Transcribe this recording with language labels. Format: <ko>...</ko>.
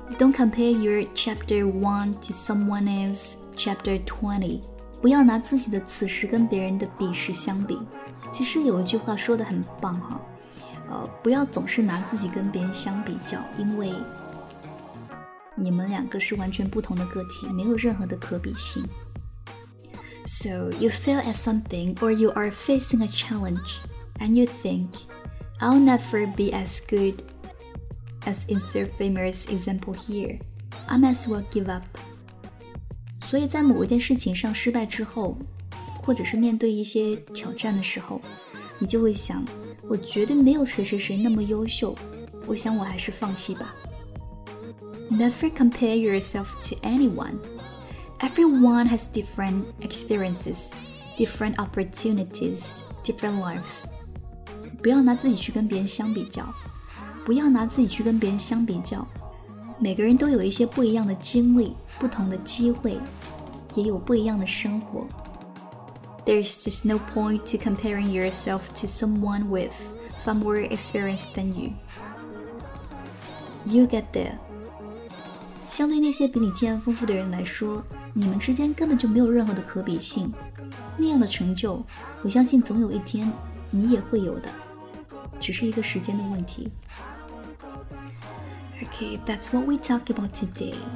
<en>Don't compare your chapter 1 to someone else chapter 20，</en> <zh>不要拿自己的此时跟别人的彼时相比。其实有一句话说得很棒哈，不要总是拿自己跟别人相比较，因为你们两个是完全不同的个体，没有任何的可比性。</zh> <en>So you fail at something or you are facing a challenge and you think I'll never be as good as insert famous example here, I might as well give up.</en> <zh>所以在某一件事情上失败之后，或者是面对一些挑战的时候，你就会想，我绝对没有谁谁谁那么优秀，我想我还是放弃吧。</zh> <en>Never compare yourself to anyone. Everyone has different experiences, different opportunities, different lives.</en> <zh>不要拿自己去跟别人相比较，不要拿自己去跟别人相比较。每个人都有一些不一样的经历，不同的机会，也有不一样的生活。</zh> <en>There's just no point to comparing yourself to someone with far more experience than you. You get there.</en> <zh>相对那些比你经验丰富的人来说，你们之间根本就没有任何的可比性。那样的成就，我相信总有一天你也会有的，只是一个时间的问题。</zh> <en>Okay, that's what we talk about today.</en>